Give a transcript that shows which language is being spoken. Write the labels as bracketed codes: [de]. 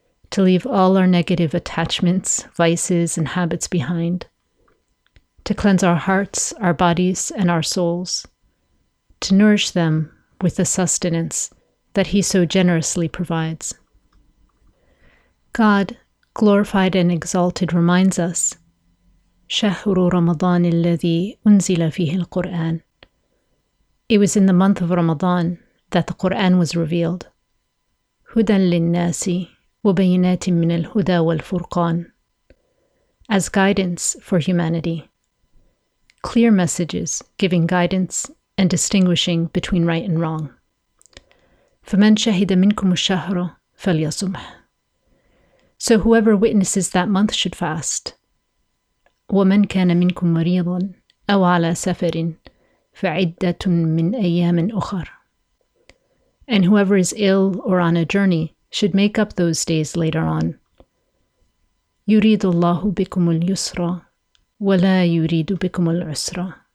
[en] to leave all our negative attachments, vices, and habits behind, to cleanse our hearts, our bodies, and our souls, to nourish them with the sustenance that he so generously provides. God, glorified and exalted, reminds us, [ar] شهر رمضان الذي أنزل فيه القرآن. [en] It was in the month of Ramadan that the Quran was revealed. [ar] هدى للناس وبينات من الهدى والفرقان. [en] As guidance for humanity. Clear messages giving guidance and distinguishing between right and wrong. [ar] فمن شهد منكم الشهر فليصمه. [en] So whoever witnesses that month should fast. [ar] ومن كان منكم مريضا أو على سفر فعدة من أيام أخر. [en] And whoever is ill or on a journey should make up those days later on. [ar] يريد الله بكم اليسر ولا يريد بكم العسر.